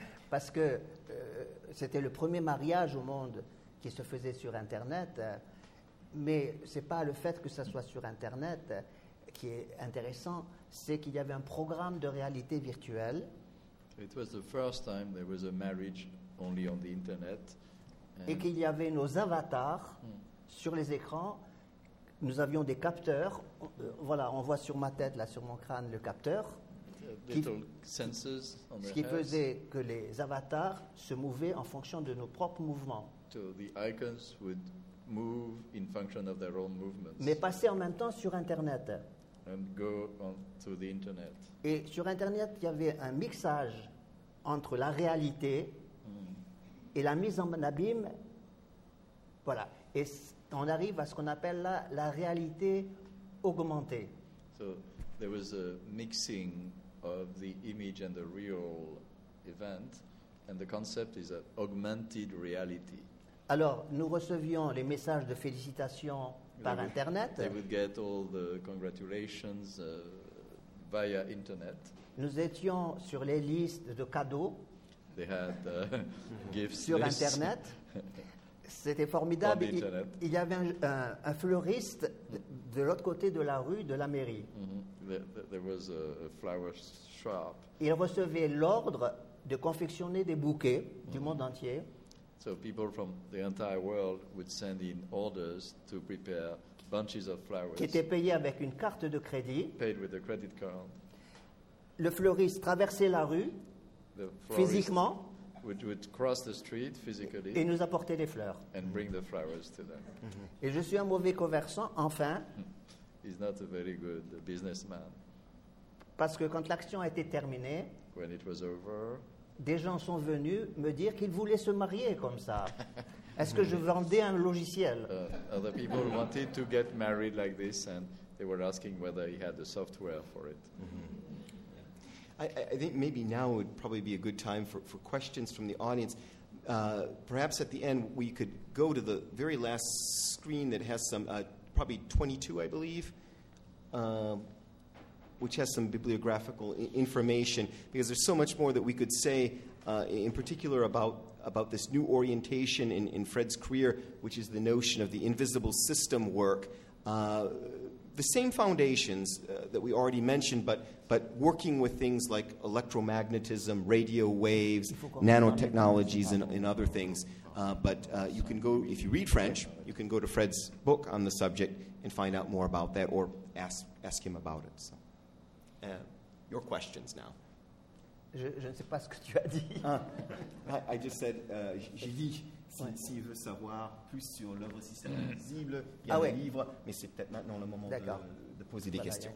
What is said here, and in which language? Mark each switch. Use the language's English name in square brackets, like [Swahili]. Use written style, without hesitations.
[French] Parce que c'était le premier mariage au monde qui se faisait sur Internet. Mais ce n'est pas le fait que ça soit sur Internet qui est intéressant, c'est qu'il y avait un programme de réalité virtuelle. [English] It was the first time there was a marriage only on the internet. [French] Et qu'il y avait nos avatars sur les écrans. Nous avions des capteurs. Voilà, on voit sur ma tête, là, sur mon crâne, le capteur. Ce qui faisait que les avatars se mouvaient en fonction de nos propres mouvements. [English] So the icons would move in function of their own movements. [French] Mais passer en même temps sur Internet. [English] And go on to the internet. [French] Et sur Internet, il y avait un mixage entre la réalité et la mise en abîme. Voilà. Et on arrive à ce qu'on appelle la réalité augmentée. [English] So there was a mixing of the image and the real event, and the concept is an augmented reality. [French] Alors, nous recevions les messages de félicitations par Internet. [English] They would get all the congratulations via Internet. [French] Nous étions sur les listes de cadeaux. [English] They had gifts [French] sur Internet. C'était formidable. Il y avait un fleuriste de l'autre côté de la rue de la mairie. [English] There was a flower shop. [French] Il recevait l'ordre de confectionner des bouquets du monde entier. [English] So people from the entire world would send in orders to prepare bunches of flowers. [French] Qui étaient payés avec une carte de crédit. [English] Paid with a credit card. [French] Le fleuriste traversait la rue physiquement. [English] Would cross the street physically. [French] Et nous apportait des fleurs. [English] And bring the flowers to them. Mm-hmm. [French] Et je suis un mauvais conversant, enfin. [English] He's not a very good businessman. [French] Parce que quand l'action a été terminée, [English] when it was over, [French] des gens sont venus me dire qu'ils voulaient se marier comme ça. Est-ce que je vendais un logiciel? [English] Other people wanted to get married like this, and they were asking whether he had the software for it. I think maybe now would probably be a good time for questions from the audience. Perhaps at the end we could go to the very last screen that has some, probably 22, I believe, which has some bibliographical information, because there's so much more that we could say, in particular about this new orientation in Fred's career, which is the notion of the invisible system work. The same foundations that we already mentioned, but working with things like electromagnetism, radio waves, nanotechnologies, and other things. But you can go, if you read French, you can go to Fred's book on the subject and find out more about that, or ask him about it. So. Your questions now. [French] Je ne sais pas ce que tu as dit. [English] I just said, [French] j'ai dit, s'il veut savoir plus sur l'œuvre système invisible, il y a un livre, mais c'est peut-être maintenant le moment de poser des questions.